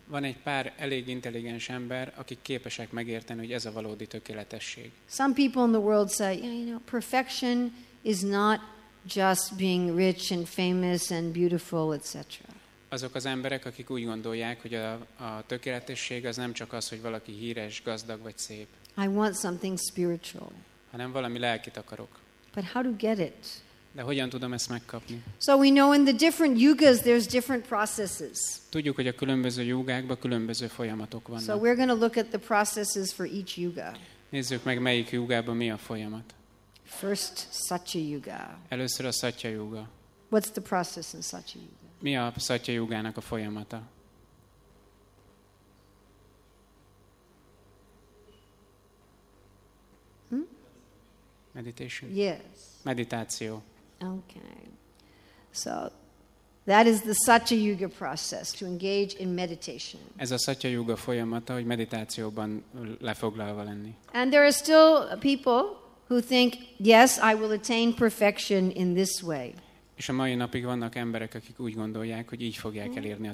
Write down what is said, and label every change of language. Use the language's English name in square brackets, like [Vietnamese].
[Hungarian] Van egy pár elég intelligens ember, akik képesek megérteni, hogy ez a valódi tökéletesség. [English] Some people in the world say, yeah, you know, perfection is not just being rich and famous and beautiful, etc. [Hungarian] Azok az emberek, akik úgy gondolják, hogy a tökéletesség az nem csak az, hogy valaki híres, gazdag vagy szép. [English] I want something spiritual. [Hungarian] Hanem valami lelkit akarok. [English] But how to get it? [Hungarian] De hogyan tudom ezt megkapni? [English] So we know in the different yugas there's different processes. [Hungarian] Tudjuk, hogy a különböző yugákban különböző folyamatok vannak. [English] So we're going to look at the processes for each yuga. [Hungarian] Nézzük meg, melyik yugában mi a folyamat. [English] First Satya Yuga. [Hungarian] Először a Satya Yuga. [English] What's the process in Satya Yuga? [Hungarian] Mi a Satya Yugának a folyamata? [English] Meditation. Yes. [Hungarian] Meditáció. [English] Okay. So that is the Satya Yuga process to engage in meditation. [Hungarian] Ez a Satya Yuga folyamata, hogy meditációban lefoglalva lenni. [English] And there are still people who think, yes, I will attain perfection in this way. [Hungarian] És a mai napig vannak emberek, akik úgy gondolják, hogy így fogják elérni a